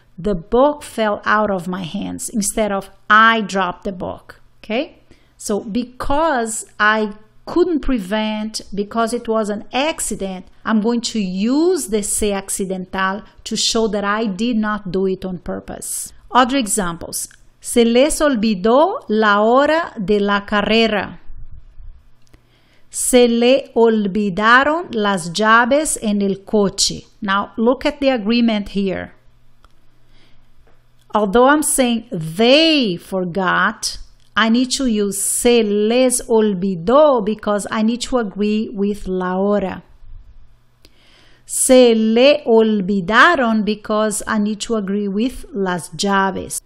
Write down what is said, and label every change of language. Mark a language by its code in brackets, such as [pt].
[en] the book fell out of my hands instead of I dropped the book. Okay? So because I couldn't prevent, because it was an accident, I'm going to use the se accidental to show that I did not do it on purpose. Other examples. [es] Se les olvidó la hora de la carrera. Se le olvidaron las llaves en el coche. [en] Now, look at the agreement here. Although I'm saying they forgot, I need to use se les olvidó because I need to agree with la hora. Se le olvidaron because I need to agree with las llaves.